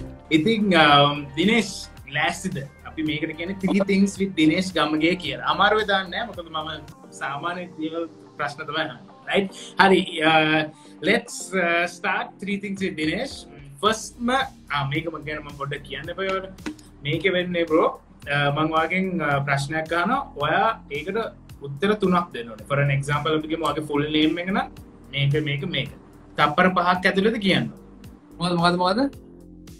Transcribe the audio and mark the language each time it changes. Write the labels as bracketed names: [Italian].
[Sinhala] ඉතින් දිනේෂ් ලෑස්තිද? අපි මේකට කියන්නේ [English] 3 things with [Sinhala] දිනේෂ් ගම්ගේ කියලා. අමාරුව දාන්නේ නැහැ. මොකද මම සාමාන්‍ය දේවල් ප්‍රශ්න තමයි අහන්නේ. [English] Right? [Sinhala] හරි. [English] Let's start 3 things with Dinesh. [Sinhala] First ma මේකම ගැන මම පොඩ්ඩක් කියන්න එපා ඔයාලට මේක වෙන්නේ bro මම ඔයාගෙන් ප්‍රශ්නයක් අහනවා ඔයා ඒකට උත්තර තුනක් දෙන්න ඕනේ [English] for an example [Sinhala] අපි කියමු ඔයාගේ full name එක නම් මේක මේක මේක තප්පර පහක් ඇතුළත කියන්න මොකද මොකද මොකද